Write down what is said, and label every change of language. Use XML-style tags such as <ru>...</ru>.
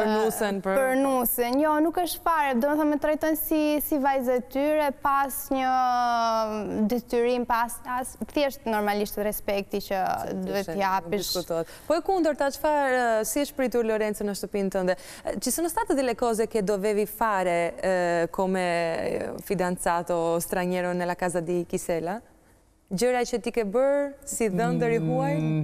<sq>për nusen. Jo, nuk është fare, do të thonë më trajtojnë si vajzë tyre pas një detyrim, pas as thjesht normalisht respekti që duhet t'i japësh. Po e kundërta, çfarë si është pritur Lorenzo në shtëpinë tënde?</sq> <it>Ci sono state delle cose che dovevi fare come fidanzato straniero nella casa di Kisela?</it> <sq>Gjëra që ti ke bërë si dhëndër I huaj?</sq>